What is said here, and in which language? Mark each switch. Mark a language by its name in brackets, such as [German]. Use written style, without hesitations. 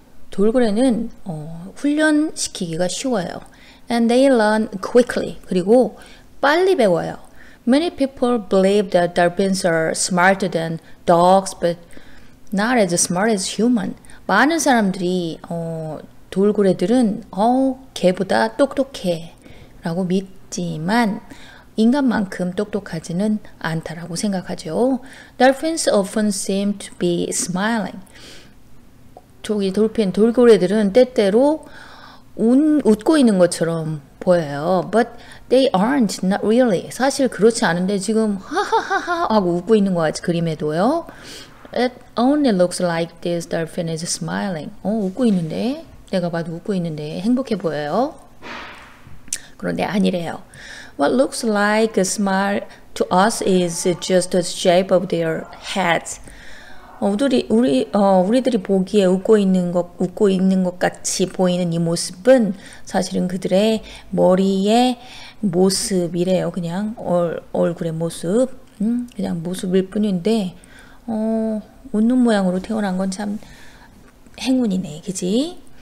[Korean] 돌고래는 훈련시키기가 쉬워요. [English] And they learn quickly. [Korean] 그리고 빨리 배워요. [English] Many people believe that dolphins are smarter than dogs, but not as smart as human. [Korean] 많은 사람들이 돌고래들은 개보다 똑똑해라고 믿지만 인간만큼 똑똑하지는 않다라고 생각하죠. [English] Dolphins often seem to be smiling. [Korean] 저기 돌핀 돌고래들은 때때로 웃고 있는 것처럼 보여요. [English] But they aren't, not really. [Korean] 사실 그렇지 않은데 지금 하하하하 하고 웃고 있는 것 같지, 그림에도요. [English] It only looks like this dolphin is smiling. [Korean] 웃고 있는데, 내가 봐도 웃고 있는데 행복해 보여요. 그런데 아니래요. [English] What looks like a smile to us is just the shape of their heads. [Korean] 우리들이 보기에 웃고 있는 것 같이 보이는 이 모습은 사실은 그들의 머리의 모습이래요. 그냥 얼굴의 모습, 그냥 모습일 뿐인데 웃는 모양으로 태어난 건 참 행운이네, 그지?